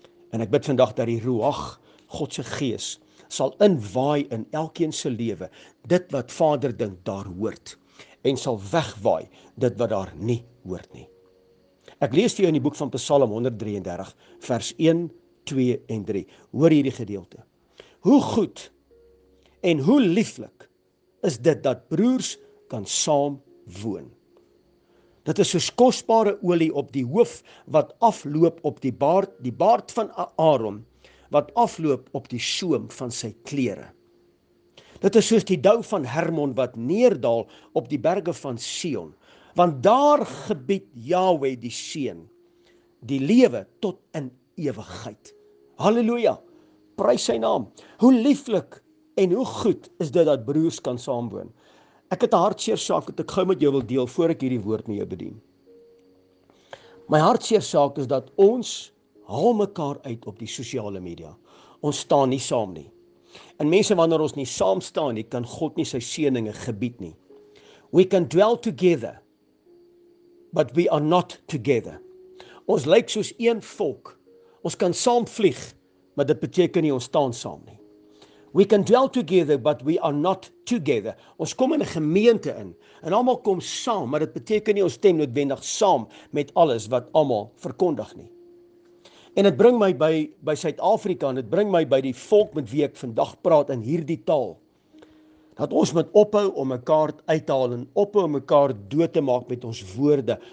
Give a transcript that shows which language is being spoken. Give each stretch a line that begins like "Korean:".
Afrikaans: En ek bid vandag dat die Ruach, God se gees, sal inwaai in elkeen se lewe dit wat Vader dink daar hoort. En sal wegwaai dit wat daar nie hoort nie. Ek lees vir jou in die boek van Psalm 133 vers 1, 2 en 3. Hoor hierdie gedeelte. Hoe goed en hoe lieflik is dit dat broers kan saam woon. Dit is soos kosbare olie op die hoof wat afloop op die baard van Aaron, wat afloop op die soem van sy klere. Dit is soos die dou van Hermon wat neerdaal op die berge van Sion, want daar gebied Yahweh die seën, die lewe tot in ewigheid. Halleluja, prys sy naam. Hoe lieflik en hoe goed is dit dat broers kan saamwoon. Ek het 'n hartseer saak wat ek gou met jou wil deel voor ek hierdie woord met jou bedien. My hartseer saak is dat ons haal mekaar uit op die sosiale media. Ons staan nie saam nie. En mense, wanneer ons nie saam staan nie, kan God nie sy seëninge gebied nie.
English: We can dwell together, but we are not together.
Afrikaans: Ons lyk soos een volk. Ons kan saam vlieg, maar dit beteken nie ons staan saam nie.
English: We can dwell together, but we are not together.
Afrikaans: Ons kom in 'n gemeente in, en almal kom saam, maar dit beteken nie ons stem noodwendig saam met alles wat almal verkondig nie. En dit bring my by Suid-Afrika, en dit bring my by die volk met wie ek vandag praat in hierdie taal. Dat ons moet ophou om mekaar uit te haal en ophou om mekaar dood te maak met ons woorde.